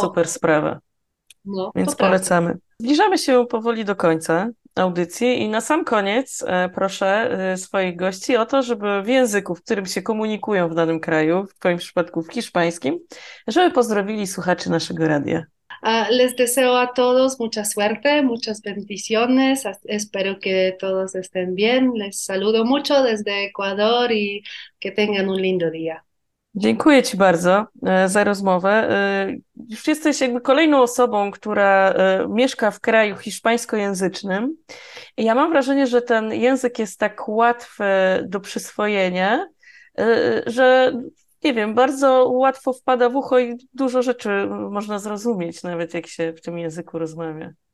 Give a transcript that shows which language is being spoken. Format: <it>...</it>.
<pl>super sprawa. No, Więc to prawda. polecamy. Zbliżamy się powoli do końca audycji i na sam koniec proszę swoich gości o to, żeby w języku, w którym się komunikują w danym kraju, w twoim przypadku w hiszpańskim, żeby pozdrowili słuchaczy naszego radia.</pl> <es>Les deseo a todos mucha suerte, muchas bendiciones. Espero que todos estén bien. Les saludo mucho desde Ecuador y que tengan un lindo día.</es> <pl>Dziękuję Ci bardzo za rozmowę. Już jesteś jakby kolejną osobą, która mieszka w kraju hiszpańskojęzycznym. I ja mam wrażenie, że ten język jest tak łatwy do przyswojenia, że nie wiem, bardzo łatwo wpada w ucho i dużo rzeczy można zrozumieć, nawet jak się w tym języku rozmawia.</pl>